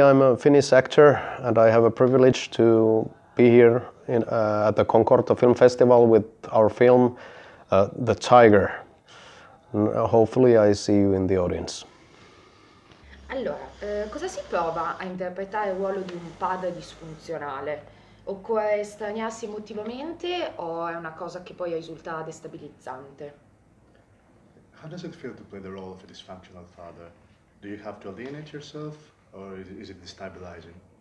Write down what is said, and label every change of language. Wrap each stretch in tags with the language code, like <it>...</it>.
<en>I'm a Finnish actor and I have a privilege to be here in, at the Concorde Film Festival with our film, The Tiger. And hopefully I see you in the audience.</en> <it>Allora, cosa si prova a interpretare il ruolo di un padre disfunzionale? Occorre estraniarsi emotivamente o è una cosa che poi risulta destabilizzante?</it> <en>How does it feel to play the role of a dysfunctional father? Do you have to alienate yourself or is it destabilizing?</en>